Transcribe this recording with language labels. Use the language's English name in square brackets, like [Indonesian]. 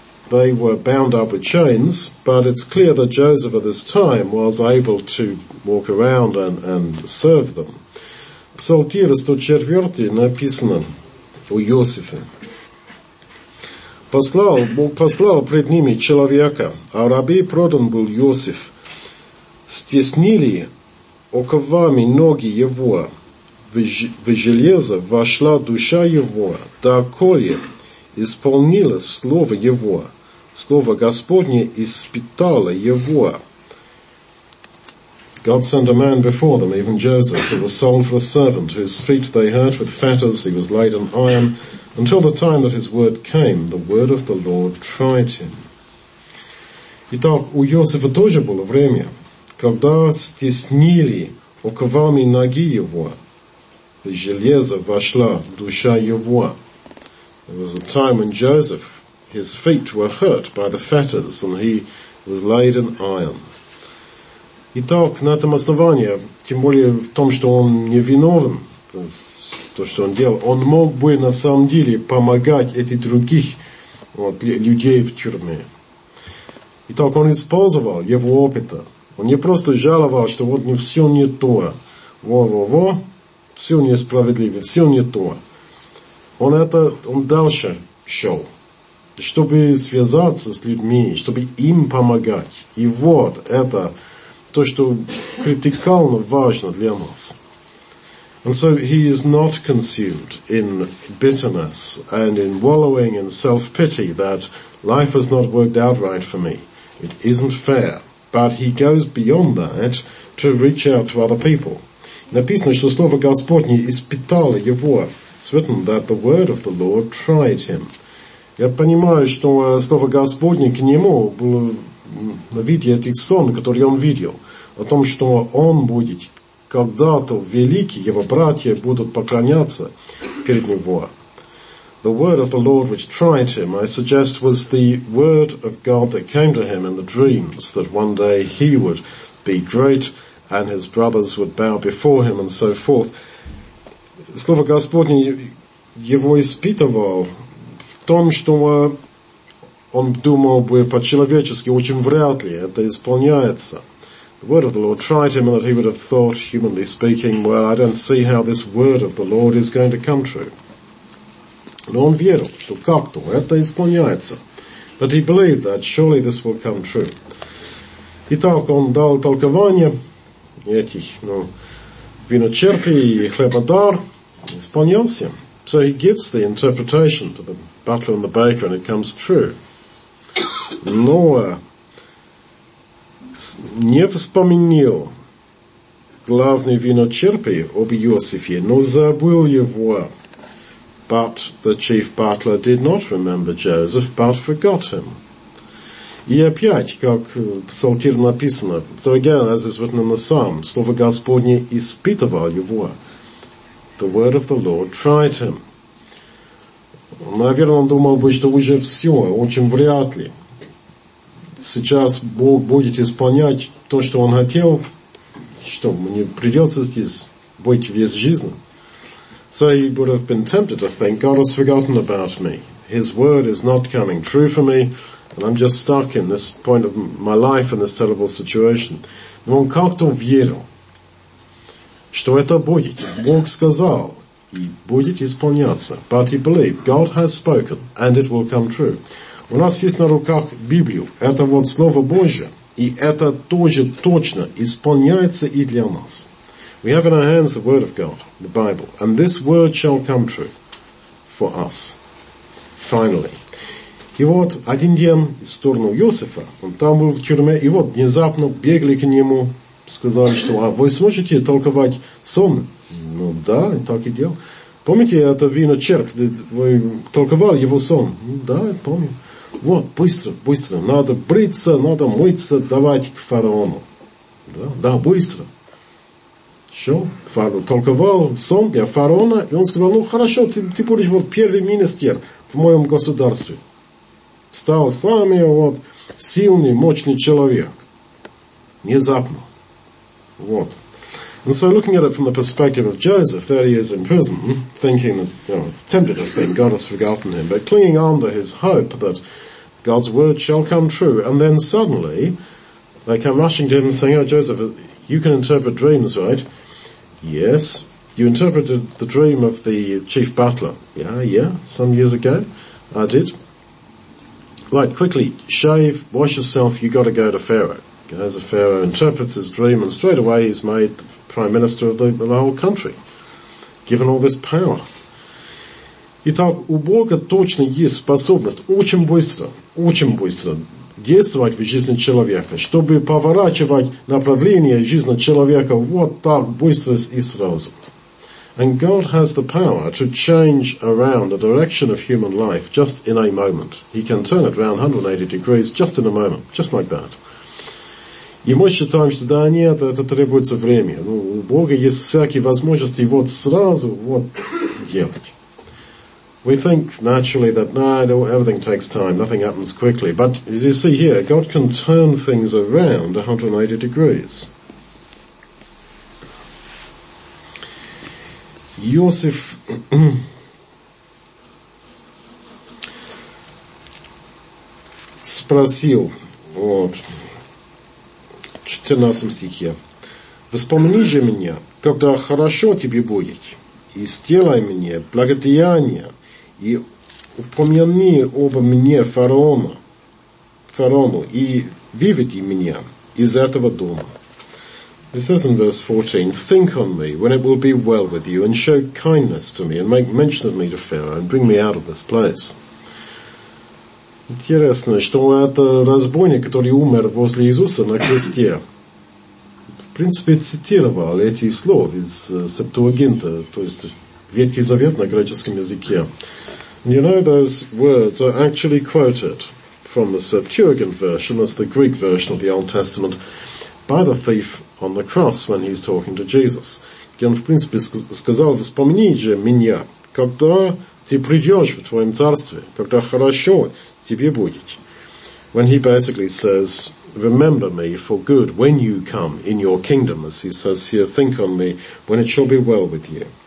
[English] They were bound up with chains, but it's clear that Joseph at this time was able to walk around and serve them. [Russian] Псалтире 104 написано у Иосифа. Бог послал пред ними человека, а рабе продан был Иосиф. Стеснили оковами ноги его, в железо вошла душа его, доколе исполнилось слово его. Слово Господне испытало его. [English] God sent a man before them, even Joseph, who was sold for a servant, whose feet they hurt with fetters, he was laid in iron. Until the time that his word came, the word of the Lord tried him. [Russian] Итак, у Иосифа тоже было время, когда стеснили оковами ноги его, в железо вошла душа его. [English] There was a time when Joseph, his feet were hurt by the fetters, and he was laid in iron. [Russian] Итак, на этом основании, тем более в том, что он не виновен, то, что он делал, он мог бы на самом деле помогать этих других вот, людей в тюрьме. Итак, он использовал его опыта. Он не просто жаловал, что вот все не то. Во-во-во, все несправедливо, все не то. Он дальше шел, чтобы связаться с людьми, чтобы им помогать. И вот это то, что критикально важно для нас. [English] And so he is not consumed in bitterness and in wallowing in self-pity that life has not worked out right for me. It isn't fair. But he goes beyond that to reach out to other people. [Russian] Написано, что слово Господне испытало его. [English] It's written that the word of the Lord tried him. [Russian] Я понимаю, что слово Господне к нему было на виде этих сон, которые он видел, о том, что он будет когда-то великий, его братья будут поклоняться перед него. [English] The word of the Lord which tried him, I suggest, was the word of God that came to him in the dreams, that one day he would be great and his brothers would bow before him and so forth. [Russian] Слово Господне его испытывал в том, что он думал бы по-человечески, очень вряд ли это исполняется. [English] The word of the Lord tried him, and that he would have thought, humanly speaking, well, I don't see how this word of the Lord is going to come true. [Russian] Но он верил, что как-то это исполняется. [English] But he believed that surely this will come true. [Russian] Итак, он дал толкование этих, ну, виночерпий и хлебодар, исполнялся. [English] So he gives the interpretation to the butler and the baker, and it comes true. [Russian] Но не вспомнил главный виночерпий об Иосифе, но забыл его. [English] But the chief butler did not remember Joseph, but forgot him. [Russian] И опять, как в Псалтире написано, [English] so again, as is written in the Psalm, [Russian] слово Господне испытывал его. [English] The word of the Lord tried him. [Russian] Наверное, он думал бы, что уже все, очень вряд ли. Сейчас Бог будет исполнять то, что Он хотел, что мне придется здесь быть весь жизнь. [English] So he would have been tempted to think, God has forgotten about me. His word is not coming true for me, and I'm just stuck in this point of my life in this terrible situation. [Russian] Но он как-то верил. что это будет. Бог сказал, и будет исполняться. [English] But he believed, God has spoken, and it will come true. [Russian] У нас есть на руках Библию. Это вот Слово Божие. И это тоже точно исполняется и для нас. [English] We have in our hands the Word of God, the Bible. And this Word shall come true for us. Finally. [Russian] И вот один день в сторону Иосифа, он там был в тюрьме, и вот внезапно бегли к нему, сказали, что «А вы сможете толковать сон?» «Ну да, так и делал». «Помните это вино черк, где вы толковали его сон?» «Ну да, помню». «Вот, быстро, быстро, надо бриться, надо мыться, давать к фараону». «Да, да, быстро». Что? Фараон толковал сон для фараона, и он сказал, «Ну хорошо, ты будешь вот первый министр в моем государстве». Стал самый вот сильный, мощный человек. Внезапно. Вот. [English] And so looking at it from the perspective of Joseph, there he is in prison, thinking that, you know, tempted to think God has forgotten him, but clinging on to his hope that God's word shall come true. And then suddenly, they come rushing to him and saying, oh, Joseph, you can interpret dreams, right? Yes. You interpreted the dream of the chief butler. Yeah, some years ago I did. Right, quickly, shave, wash yourself, you got to go to Pharaoh. Goes to Pharaoh, interprets his dream, and straight away he's made the prime minister of the whole country, given all this power. [Russian] Итак, у Бога точно есть способность очень быстро действовать в жизни человека, чтобы поворачивать направление жизни человека вот так быстро и сразу. [English] And God has the power to change around the direction of human life just in a moment. He can turn it around 180 degrees just in a moment, just like that. [Russian] И мы считаем, что да, нет, это требуется время. Ну, у Бога есть всякие возможности вот сразу вот делать. [English] We think naturally that no, everything takes time, nothing happens quickly. But as you see here, God can turn things around 180 degrees. [Russian] Иосиф, спросил, вот, 14 стихе, «Вспомни же меня, когда хорошо тебе будет, и сделай мне благодеяние, и упомяни обо мне фараону, и выведи меня из этого дома». [English] It says in verse 14, think on me when it will be well with you and show kindness to me and make mention of me to Pharaoh and bring me out of this place. [Russian] Интересно, что это разбойник, который умер возле Иисуса на кресте, в принципе, цитировал эти слова из Септуагинта, то есть Ветхий Завет на греческом языке. [English] And you know, those words are actually quoted from the Septuagint version, that's the Greek version of the Old Testament, by the thief on the cross when he's talking to Jesus. [Russian] Где он, в принципе, сказал, «Вспомни же меня, когда ты придешь в твоем царстве, когда хорошо тебе будет». [English] When he basically says, «Remember me for good when you come in your kingdom», as he says here, «Think on me when it shall be well with you».